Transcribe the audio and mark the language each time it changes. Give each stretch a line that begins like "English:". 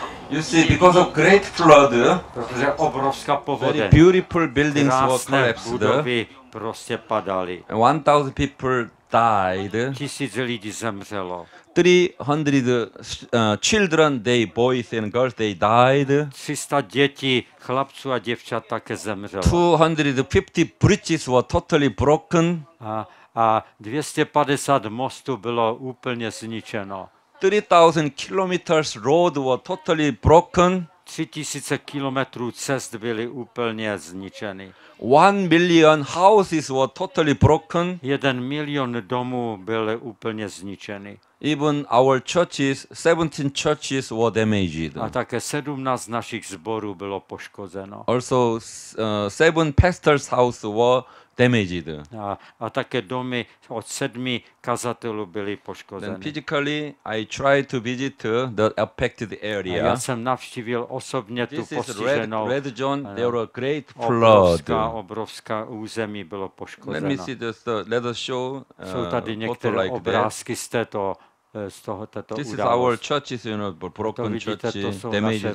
English: You see, because of great flood,
Czech: protože obrovská povodeň,
English: very beautiful buildings were collapsed.
Czech: Prostě padali.
English: 1,000 people died.
Czech: 1,000 lidí zemřelo.
English: 300 children, they boys and girls, they died.
Czech: 300 dětí, chlapců a děvčat také zemřelo.
English: 250 bridges were totally broken.
Czech: A 250 mostů bylo úplně zničeno.
English: 3,000 kilometers road were totally broken.
Czech: 3,000 kilometrů cest byly úplně zničeny.
English: 1,000,000 houses were totally broken.
Czech: 1,000,000 domů byly úplně zničeny.
English: Even our churches, 17 churches were damaged.
Czech: A také 17 našich zborů bylo poškozeno.
English: Also 7 pastors' houses were damaged.
Czech: A také domy od 7 kazatelů byly poškozeny.
English: Then physically, I tried to visit the affected area.
Czech: A já jsem navštívil osobně
English: this
Czech: tu postiženou.
English: Red zone, there were great flood.
Czech: Obrovská území bylo poškozeno.
English: Let me see this, let us show.
Czech: Jsou tady některé
English: like
Czech: obrázky
English: that.
Czech: z této
English: this
Czech: událost.
English: Is our churches, you know, broken churches, damaged